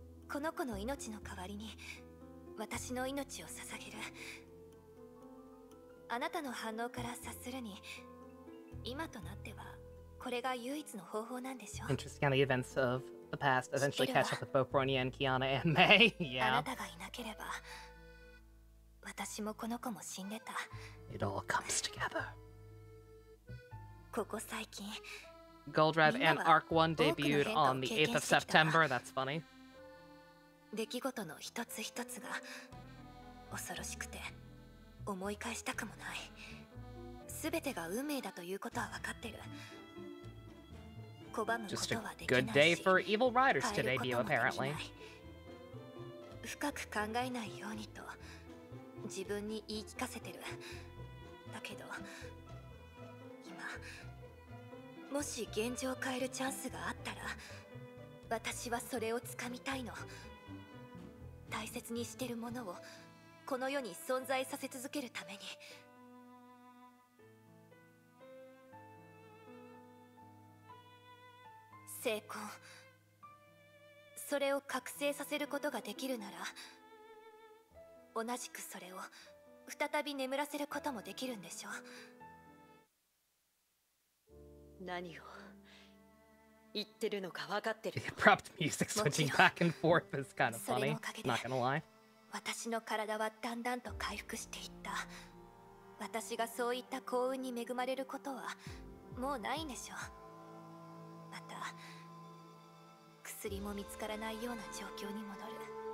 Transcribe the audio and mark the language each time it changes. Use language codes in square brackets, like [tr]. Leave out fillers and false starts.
[ja] この子の命の代わりに私の命を捧げる。あなたの反応から察するに、今となってはこれが唯一の方法なんでしょう。 [en] Interesting how the events of the past eventually catch up with both Bronya and Kiana and May. Yeah. [ja] あなたがいなければ、私もこの子も死んでた。 [en] It all comes together. [ja] ここ最近、 [en] Gold Drive and Arc 1 debuted on the 8th of September. That's funny. [ja] 出来事の一つ一つが恐ろしくて思い返したくもない。すべてが運命だということは分かってる。拒むことはできないし、 [en] Just a good day for Evil Riders to debut, apparently. [ja] 深く考えないようにと自分に言い聞かせてる。だけど今、もし現状を変えるチャンスがあったら、私はそれを掴みたいの。大切にしてるものをこの世に存在させ続けるために。成功。それを覚醒させることができるなら、同じくそれを再び眠らせることもできるんでしょう。何を言ってるのか分かってる。 [en] The abrupt music switching back and forth is kind of funny. Not gonna lie. [ja] 私の体はだんだんと回復していった。私がそういった幸運に恵まれることはもうないんでしょう。また薬も見つからないような状況に戻る。